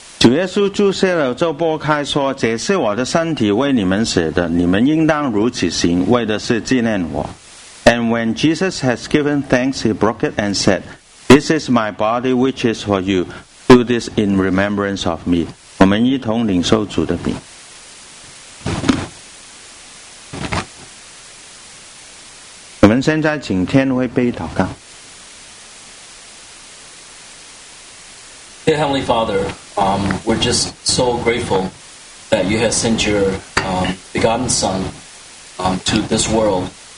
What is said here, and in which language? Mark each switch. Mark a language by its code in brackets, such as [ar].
[zh] 耶稣注射了就擘开说，这是我的身体为你们舍的，你们应当如此行，为的是纪念我。 [en] And when Jesus has given thanks, he broke it and said, This is my body which is for you. Do this in remembrance of me. [zh] 我们一同领受主的饼。我们现在请天父杯祷告。 [en] Dear Heavenly Father, we're just so grateful that you have sent your begotten Son to this world.